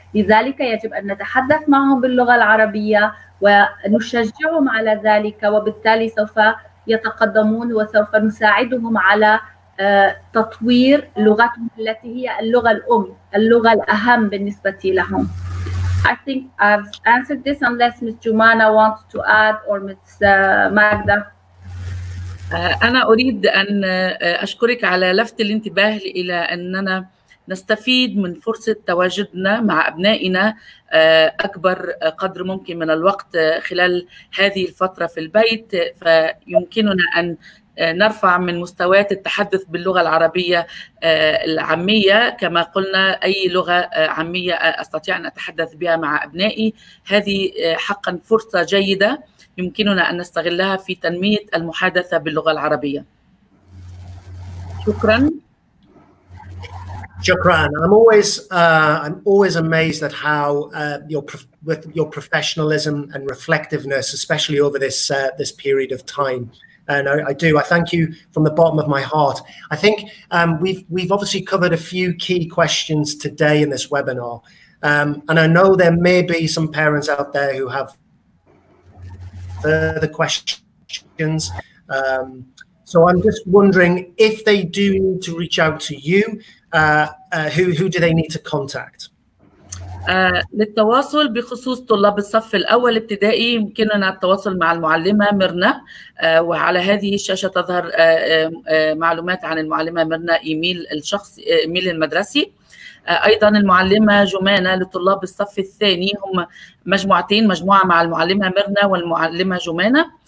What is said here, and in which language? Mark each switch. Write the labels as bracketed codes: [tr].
[ar] لذلك يجب أن نتحدث معهم باللغة العربية ونشجعهم على ذلك، وبالتالي سوف يتقدمون وسوف نساعدهم على تطوير لغتهم التي هي اللغة الأم، اللغة الأهم بالنسبة لهم. [en] I think I've answered this, unless Ms. Jumana wants to add or Ms. Magda. [ar] أنا أريد أن أشكرك على لفت الانتباه إلى أننا نستفيد من فرصة تواجدنا مع أبنائنا أكبر قدر ممكن من الوقت خلال هذه الفترة في البيت، فيمكننا أن نرفع من مستويات التحدث باللغة العربية العامية. كما قلنا، أي لغة عامية أستطيع أن أتحدث بها مع أبنائي، هذه حقا فرصة جيدة يمكننا أن نستغلها في تنمية المحادثة باللغة العربية. شكرا. [en] Jokran, I'm always amazed at how with your professionalism and reflectiveness, especially over this this period of time. And I thank you from the bottom of my heart. I think we've obviously covered a few key questions today in this webinar, and I know there may be some parents out there who have further questions. So I'm just wondering, if they do need to reach out to you, who do they need to contact? [ar] للتواصل بخصوص طلاب الصف الأول ابتدائي، يمكننا التواصل مع المعلمة ميرنا، وعلى هذه الشاشة تظهر معلومات عن المعلمة ميرنا، إيميل المدرسي. أيضا المعلمة جمانة لطلاب الصف الثاني، هم مجموعتين، مجموعة مع المعلمة ميرنا والمعلمة جمانة.